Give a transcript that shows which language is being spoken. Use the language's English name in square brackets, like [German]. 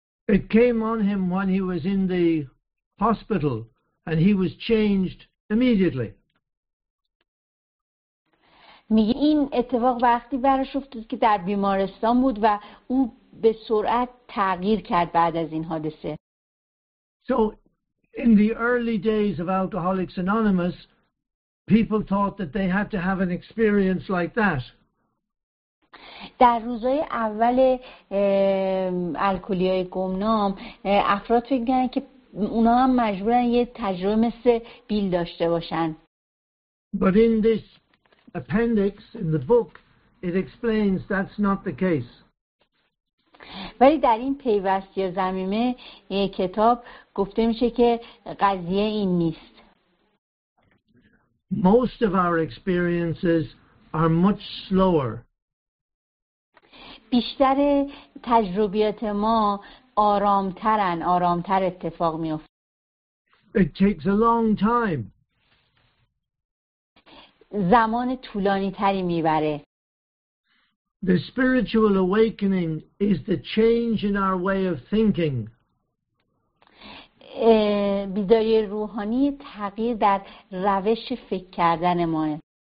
[English] It came on him when he was in the hospital and he was changed immediately. [Persian] میگه این اتفاق وقتی براش افتاد که در بیمارستان بود و او به سرعت تغییر کرد بعد از این حادثه. [English] So in the early days of Alcoholics Anonymous, people thought that they had to have an experience like that. [Persian] در روزهای اول الکلی‌های گمنام افراد فکر کردن که اونا هم مجبورن یه تجربه مثل بیل داشته باشن. [English] But in this appendix in the book, it explains that's not the case. [Persian] ولی در این پیوست یا زمیمه کتاب گفته میشه که قضیه این نیست. [English] Most of our experiences are much slower. [Persian] بیشتر تجربیات ما آرامترن، آرامتر اتفاق میفته. [English] It takes a long time. [Persian] زمان طولانی تری میبره. [English] The spiritual awakening is the change in our way of thinking. [Persian] بیداری روحانی تغییر در روش فکر کردن ما.